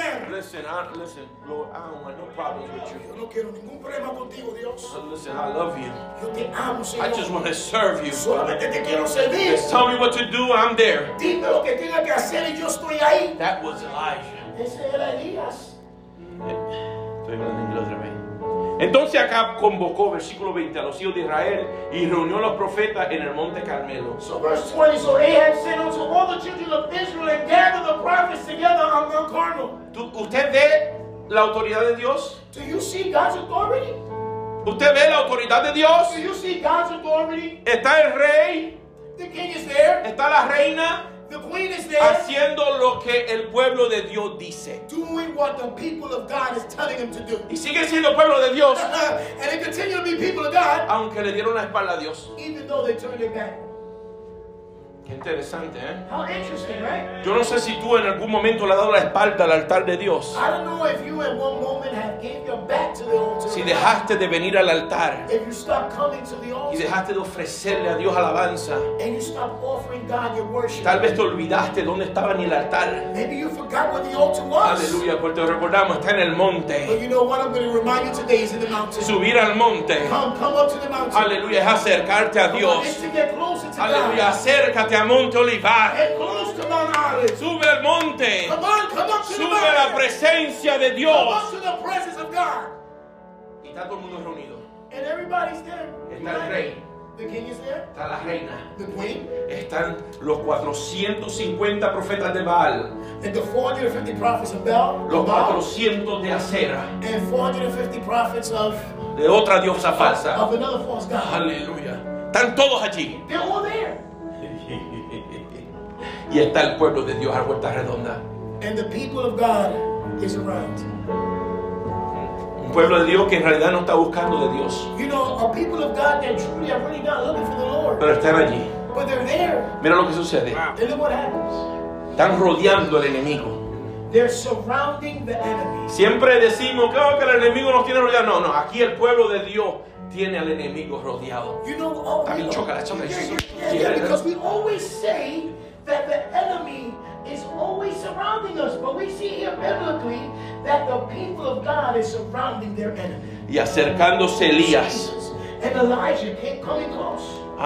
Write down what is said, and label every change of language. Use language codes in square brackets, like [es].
[en] Listen, Lord, I don't want no problems with you. [es] Yo no quiero ningún problema contigo, Dios. [en] So listen, I love you. [es] Yo te amo, Señor. [en] I just want to serve you. [es] Solamente te quiero servir. [en] Just tell me what to do, I'm there. [es] Dime lo que tenga que hacer y yo estoy ahí. [en] That was Elijah. [es] Ese era Elías. Estoy hablando en inglés otra vez. Entonces Acab convocó, versículo 20, a los hijos de Israel y reunió a los profetas en el monte Carmelo. [en] So verse 20, so Ahab said unto all the children of Israel and gathered the prophets together on Mount Carmel. [es] ¿Usted ve la autoridad de Dios? [en] Do you see God's authority? [es] ¿Usted ve la autoridad de Dios? [en] Do you see God's authority? [es] ¿Está el rey? [en] The king is there. [es] ¿Está la reina? [en] The queen is there. [es] Haciendo lo que el pueblo de Dios dice. [en] Doing what the people of God is telling him to do. [es] Y sigue siendo pueblo de Dios. [en] And they continue to be people of God. [es] Aunque le dieron la espalda a Dios. [en] Even though they turned it back. [es] Qué interesante, ¿eh? [en] How interesting, right? [es] Yo no sé si tú en algún momento le has dado la espalda al altar de Dios. [en] I don't know if you at one moment have gave your back to the altar. [es] Si dejaste de venir al altar. [en] If you stopped coming to the altar. [es] Y dejaste de ofrecerle a Dios alabanza. [en] And you stopped offering God your worship. [es] Tal vez te olvidaste dónde estaba ni el altar. [en] Maybe you forgot where the altar was. [es] Aleluya, porque te recordamos, está en el monte. [en] But you know what I'm going to remind you today is in the mountain. [es] Subir al monte. [en] Come up to the mountain. [es] Aleluya, es acercarte a Dios. [en] It's to get closer to God. [es] Aleluya, acércate a Monte Olivar. Sube al monte. [en] Come on, [es] sube a la presencia de Dios. [en] Come up to the presence of God. [es] Y está todo el mundo reunido. [en] And everybody's there. [es] Está el rey. [en] The king is there. [es] Está la reina. [en] The queen. [es] Están los 450 profetas de Baal. [en] And the 450 prophets of Baal. [es] Los 400 de Acera. [en] And 450 prophets of [es] de otra diosa falsa. [en] Of another false god. [es] Aleluya. Están todos allí. [en] They're all there. [es] Y está el pueblo de Dios a vuelta redonda. [en] And the people of God is around. [es] Un pueblo de Dios que en realidad no está buscando de Dios. [en] You know, a people of God that truly are really not looking for the Lord. [es] Pero están allí. [en] But they're there. [es] Mira lo que sucede. [en] And look what happens. [es] Están rodeando al enemigo. [en] They're surrounding the enemy. [es] Siempre decimos, claro que el enemigo nos tiene rodeado. No, aquí el pueblo de Dios tiene al enemigo rodeado. [en] You know, oh, [es] también choca la choca. [en] Because we always say that the enemy is always surrounding us, but we see here biblically that the people of God is surrounding their enemy. [es] Y acercándose Elías. [en] And Elijah came coming close.